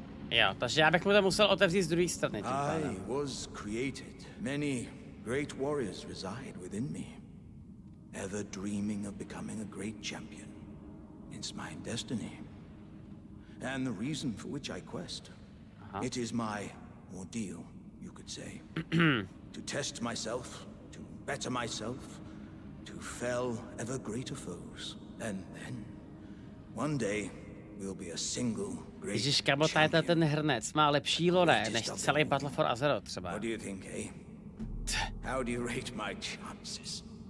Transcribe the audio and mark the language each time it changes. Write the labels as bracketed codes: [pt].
[cs] Jo, takže já bych mu to musel otevřít z druhé strany. [en] I was created. Many... Great warriors reside within me, ever dreaming of becoming a great champion. It's my destiny, and the reason for which I quest. Uh-huh. It is my ordeal, you could say. To test myself, to better myself, to fell ever greater foes. And then, one day, we'll be a single great [cs] Ježiš, kamo, [en] champion. [cs] Ježiš, ten hrnec má lepší lore než celý Battle for Azeroth třeba. [en] What do you think, eh? How do you rate my chances?